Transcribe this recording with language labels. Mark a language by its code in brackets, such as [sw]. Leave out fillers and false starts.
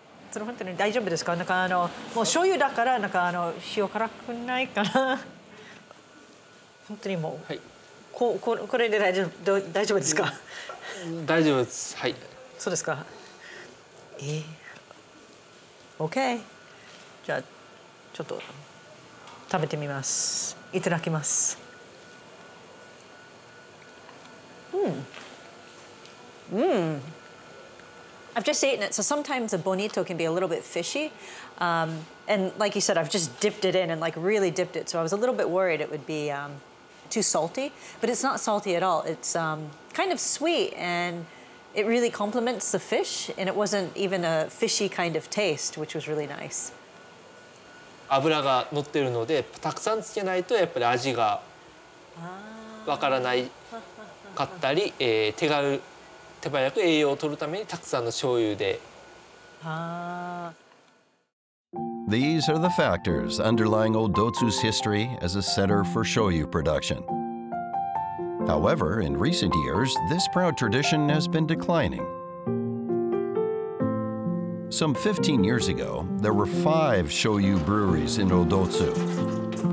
[ja] それ本当に大丈夫ですか？なんか塩辛くないかな。本当にもう、はい、これで大丈夫ですか？大丈夫です。はい。そうですか。オッケー。じゃあちょっと食べてみます。いただきます。うん。うん。 [en] I've just eaten it, so sometimes a bonito can be a little bit fishy. And like you said, I've just dipped it in and like really dipped it. So I was a little bit worried it would be too salty, but it's not salty at all. It's kind of sweet and it really complements the fish, and it wasn't even a fishy kind of taste, which was really nice. [ja] 油が乗ってるのでたくさんつけないとやっぱり味がわからないかったり、手早く栄養を取るためにたくさんの醤油で。 [en] These are the factors underlying Odotsu's history as a center for shoyu production. However, in recent years, this proud tradition has been declining. Some 15 years ago, there were 5 shoyu breweries in Odotsu.